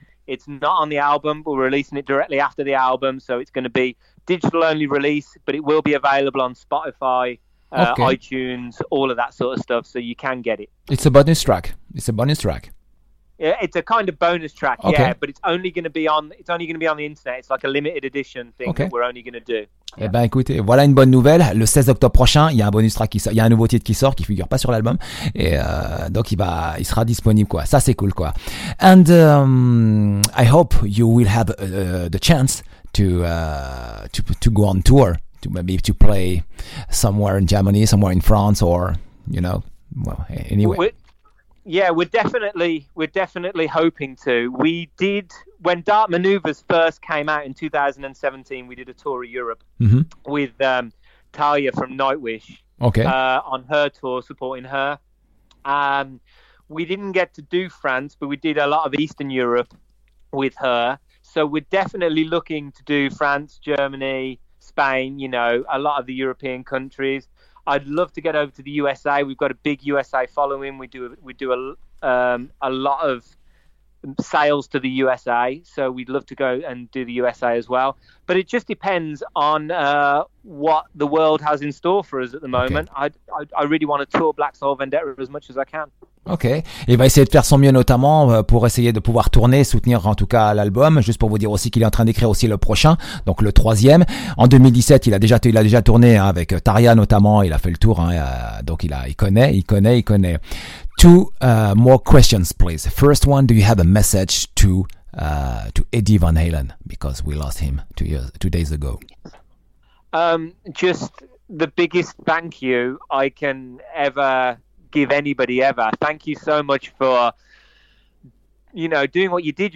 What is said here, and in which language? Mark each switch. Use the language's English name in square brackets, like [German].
[English] It's not on the album, but we're releasing it directly after the album. So it's going to be digital only release, but it will be available on Spotify. Okay. iTunes, all of that sort of stuff, so you can get it. It's a bonus track. Yeah, it's a kind of bonus track. Okay. Yeah, but it's only going to be on the internet. It's like a limited edition thing. Okay. That we're only going to do. [French] Eh ben écoutez, voilà une bonne nouvelle. Le 16 octobre prochain, il y a un bonus track qui sort, il y a un nouveau titre qui sort qui figure pas sur l'album, et donc il sera disponible, quoi. Ça c'est cool, quoi. [English] And I hope you will have the chance to go on tour. To play somewhere in Germany, somewhere in France, or anyway. We're definitely hoping to. We did, when Dark Maneuvers first came out in 2017, we did a tour of Europe. Mm-hmm. With Talia from Nightwish. Okay. On her tour, supporting her. We didn't get to do France, but we did a lot of Eastern Europe with her. So we're definitely looking to do France, Germany, Spain, a lot of the European countries. I'd love to get over to the USA. We've got a big USA following. We do a lot of sales to the USA, so we'd love to go and do the USA as well. But it just depends on what the world has in store for us at the moment. Okay. I really want to tour Black Soul Vendetta as much as I can. [French] Ok, il va essayer de faire son mieux, notamment pour essayer de pouvoir tourner, soutenir en tout cas l'album. Juste pour vous dire aussi qu'il est en train d'écrire aussi le prochain, donc le troisième. En 2017, il a déjà tourné, hein, avec Taria notamment. Il a fait le tour, hein, donc il connaît. [English] Two more questions, please. First one, do you have a message to Eddie Van Halen, because we lost him two days ago? Just the biggest thank you I can ever give anybody ever. Thank you so much for doing what you did.